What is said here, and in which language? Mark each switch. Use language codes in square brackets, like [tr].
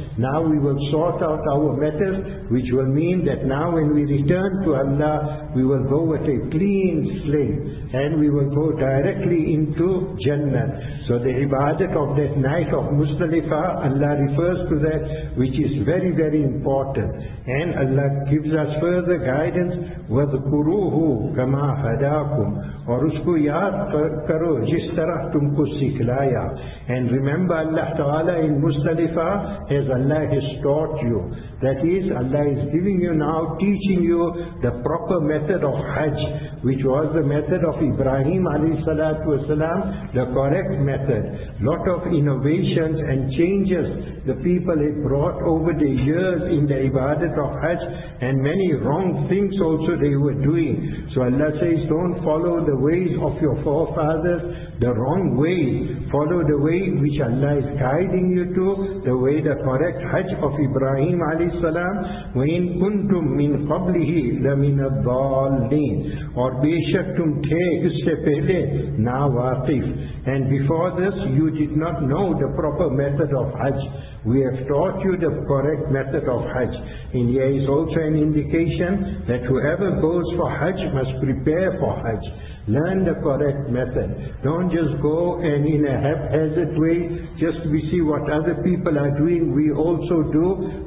[en] Now we will sort out our matters, which will mean that now when we return to Allah, we will go with a clean slate and we will go directly into Jannah. So the ibadat of that night of Muzdalifah, Allah refers to that, which is very, very important. And Allah gives us further guidance, [ar] وَذْكُرُوهُ كَمَا هَدَاكُمْ [ur] اور اس کو یاد کرو جس طرح تم کو سکھلایا. [en] And remember Allah Ta'ala in Muzdalifah as Allah has taught you. That is, Allah is giving you now, teaching you the proper method of Hajj, which was the method of Ibrahim alayhi salatu wasalam, the correct method. Lot of innovations and changes the people have brought over the years in the ibadat of Hajj, and many wrong things also they were doing. So Allah says, don't follow the ways of your forefathers, the wrong way. Follow the way which Allah is guiding you to, the way, the correct Hajj of Ibrahim alayhi salam. [ar] وَإِن كُنْتُم مِّن قَبْلِهِ لَمِنَ الضَّالِّينَ [ur] اور بے شک تم تھے اس سے پہلے نا واقف. [en] And before this, you did not know the proper method of Hajj. We have taught you the correct method of Hajj. And here is also an indication that whoever goes for Hajj must prepare for Hajj. Learn the correct method. Don't just go and in a haphazard way, just we see what other people are doing, we also do.